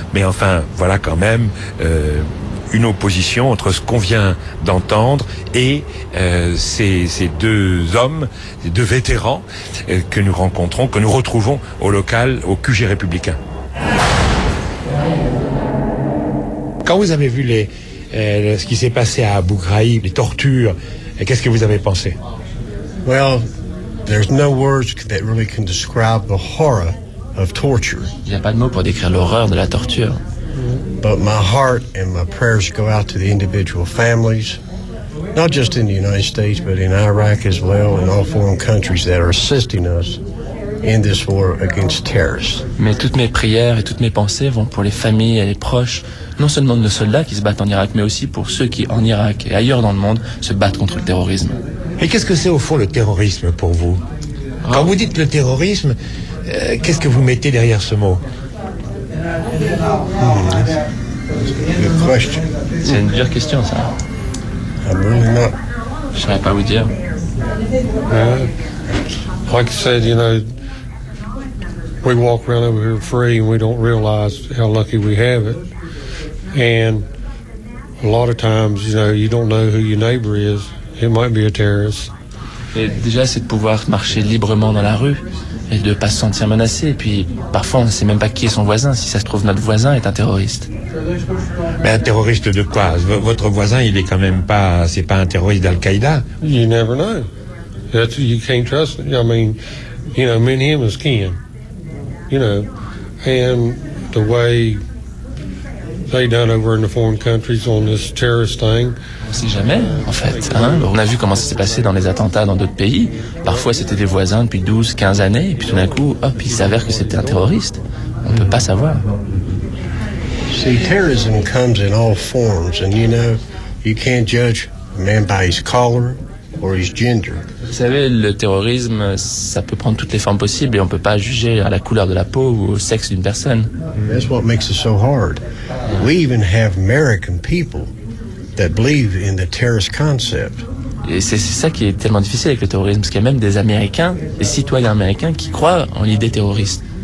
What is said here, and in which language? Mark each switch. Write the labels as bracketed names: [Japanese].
[French] Mais enfin, voilà quand même une opposition entre ce qu'on vient d'entendre et ces deux hommes, ces deux vétérans que nous rencontrons, que nous retrouvons au local, au QG républicain. Quand vous avez vu ce qui s'est passé à Abu Ghraib, les tortures, qu'est-ce que vous avez pensé? [English] Well, there's no words that really can describe the horror of torture. [French] Il n'y a pas de mots pour décrire l'horreur de la torture. [English] But my heart and my prayers go out to the individual families, not just in the United States, but in Iraq as well, and all foreign countries that are assisting us in this war against terrorists. [French] Mais toutes mes prières et toutes mes pensées vont pour les familles et les proches, non seulement de nos soldats qui se battent en Irak, mais aussi pour ceux qui, en Irak et ailleurs dans le monde, se battent contre le terrorisme. Et qu'est-ce que c'est au fond le terrorisme pour vous? Quand vous dites le terrorisme, qu'est-ce que vous mettez derrière ce mot? C'est une dure question, ça. Je ne saurais pas vous dire. [English] Like I said, you know, we walk around over here free and we don't realize how lucky we have it. And a lot of times, you know, you don't know who your neighbor is. It might be a terrorist. [French] Et déjà, c'est de pouvoir marcher librement dans la rue et de ne pas se sentir menacé. Et puis, parfois, on ne sait même pas qui est son voisin. Si ça se trouve, notre voisin est un terroriste. Mais un terroriste de quoi? Votre voisin, il est quand même pas... C'est pas un terroriste d'Al-Qaïda. [English] You never know. That's, you can't trust it. I mean, you know, me and him is kin. You know, and the way they done over in the foreign countries on this terrorist thing. [French] On sait jamais, en fait. Hein? On a vu comment ça s'est passé dans les attentats dans d'autres pays. Parfois, c'était des voisins depuis 12, 15 années, et puis tout d'un coup, hop, il s'avère que c'était un terroriste. On ne peut pas savoir. [English] See, terrorism comes in all forms, and you know, you can't judge a man by his color. Or his gender. [French] Vous savez, le terrorisme, ça peut prendre toutes les formes possibles et on ne peut pas juger à la couleur de la peau ou au sexe d'une personne. [English] That's what makes it so hard. We even have American people that believe in the terrorist concept. [French] Et c'est ça qui est tellement difficile avec le terrorisme, parce qu'il y a même des Américains, des citoyens américains qui croient en l'idée terroriste.